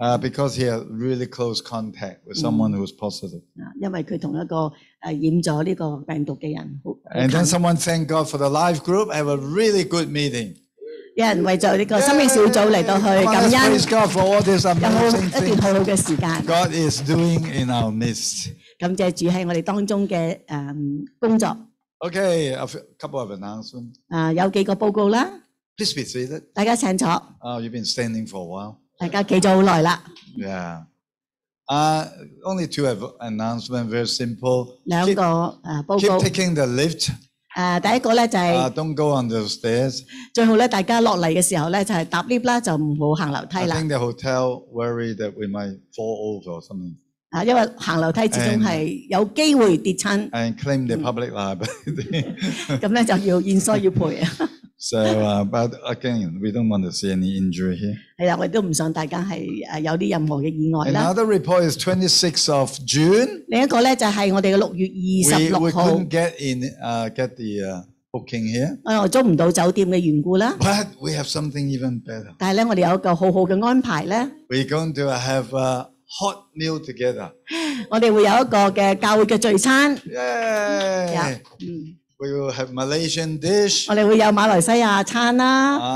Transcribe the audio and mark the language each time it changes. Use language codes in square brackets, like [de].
[en] Because he had really close contact with someone who's positive. [yue] 因为佢同一个染咗呢个病毒嘅人。 [en] And then someone thank God for the live group have a really good meeting. [yue] 有人为咗呢个生命小组嚟到去感恩。 [en] Praise God for all this amazing thing. [yue] 有一段好好嘅时间。 [en] God is doing in our midst. [yue] 感谢主喺我哋当中嘅工作。 [en] Okay, a couple of announcements. [yue] 有几个报告啦。 [en] Please be seated. [yue] 大家请坐。 [en] You've been standing for a while. [yue] 大家企咗好耐啦。 [en] Yeah. Only two announcements, very simple. [yue] 两个报告。 [en] Keep taking the lift. [yue] 第一个咧就系。 [en] Don't go on the stairs. [yue] 最好咧，大家落嚟嘅时候咧，就系搭 lift 啦，就唔好行楼梯啦。 [en] I think the hotel worry that we might fall over or something. [yue] 因为行楼梯始终系有机会跌亲。 [en] And claim the public liability. [yue] 咁咧就要现所要赔 [en] So, but again, we don't want to see any injury here. [yue] 係啦，我都唔想大家係有啲任何嘅意外啦。 [en] Another report is 26th of June. [yue] 另一個咧就係我哋嘅6月26號。 [en] We couldn't get in, get the booking here. [yue] 我租唔到酒店嘅緣故啦。 [en] But we have something even better. [yue] 但係咧，我哋有一個好好嘅安排咧。 [en] We're going to have a hot meal together. [yue] 我哋會有一個嘅教會嘅聚餐。 [en] Yay! Yeah. We will have Malaysian dish. [yue] 我哋会有马来西亚餐啦。